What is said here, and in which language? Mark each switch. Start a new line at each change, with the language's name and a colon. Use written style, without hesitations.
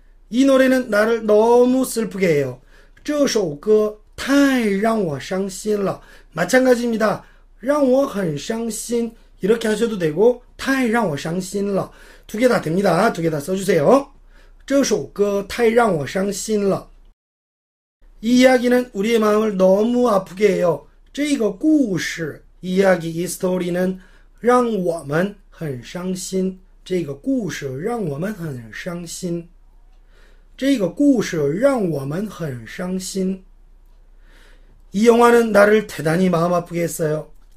Korean: 이 노래는 나를 너무 슬프게 해요.
Chinese: 这首歌 太让我伤心了，
Korean: 마찬가지입니다.
Chinese: 让我很伤心，
Korean: 이렇게 하셔도 되고
Chinese: 太让我伤心了，
Korean: 두개다 됩니다. 두개다 써주세요.
Chinese: 这首歌太让我伤心了。
Korean: 이이야기는 우리의 마음을 너무 아프게 해요.
Chinese: 这个故事，
Korean: 이야기，이 스토리는
Chinese: 让我们很伤心。这个故事让我们很伤心。这个故事让我们很伤心。
Korean: 이 영화는 나를 대단히 마음 아프게 했어요.